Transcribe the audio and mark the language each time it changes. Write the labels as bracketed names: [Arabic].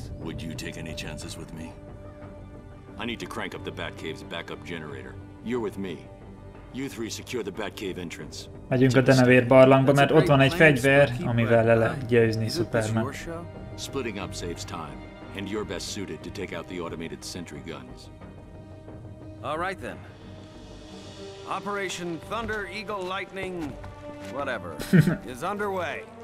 [English] Would you take any chances with me? I need to crank up the Batcave's backup generator. You're with me. You three secure the Batcave entrance. [Hungarian] Megyünk a denevér barlangba, mert ott van egy fegyver, amivel le lehet győzni Superman. [English] Splitting up saves time, and you're best suited to take out the automated sentry guns. All right then. Operation Thunder Eagle Lightning, whatever, is underway.